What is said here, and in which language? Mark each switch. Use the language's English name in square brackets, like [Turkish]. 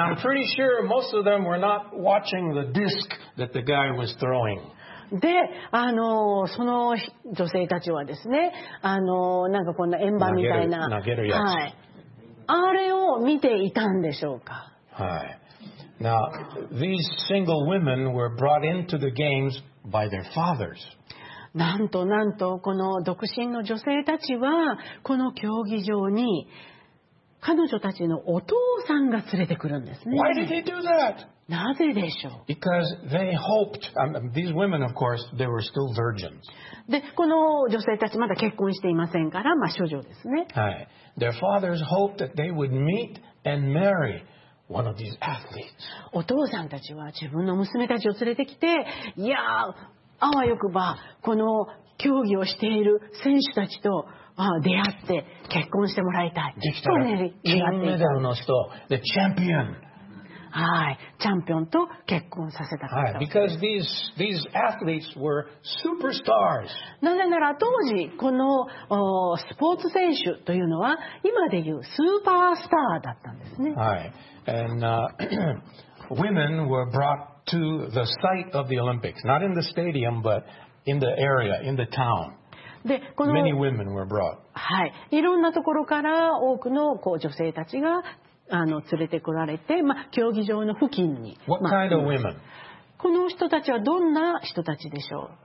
[English] And I'm pretty sure most of them were not watching the disc that the guy was throwing. [Japanese] で、その女性たちはですね、なんかこんな円盤みたいな、投げるやつ、はい、あれを見ていたんでしょうか。はい。 [English] Now, these single women were brought into the games by their fathers. [Japanese] なんとなんと、この独身の女性たちは、この競技場に、彼女たちのお父さんが連れてくるんですね。 [English] Why did they do that? [Japanese] なぜでしょう? [English] Because they hoped, these women, of course, they were still virgins. [Japanese] で、この女性たちまだ結婚していませんから、まあ、処女ですね。はい。 [English] Their fathers hoped that they would meet and marry one of these athletes. [Japanese] お父さんたちは自分の娘たちを連れてきて、いやー、あわよくば、この競技をしている選手たちと、まあ、出会って結婚してもらいたい。できたら金メダルの人でチャンピオン、はい、チャンピオンと結婚させた方、はい、 [English] because these athletes were superstars。 [Japanese] なぜなら当時このスポーツ選手というのは今でいうスーパースターだったんですね。 [English] はい、and women were brought to the site of the Olympics, not in the stadium, but in the area, in the town. [Japanese] でこの [English] Many women were brought. [Japanese] はい、いろんなところから多くのこう女性たちが連れてこられて、まあ、競技場の付近に、 [English] What kind of women? [Japanese] この人たちはどんな人たちでしょう。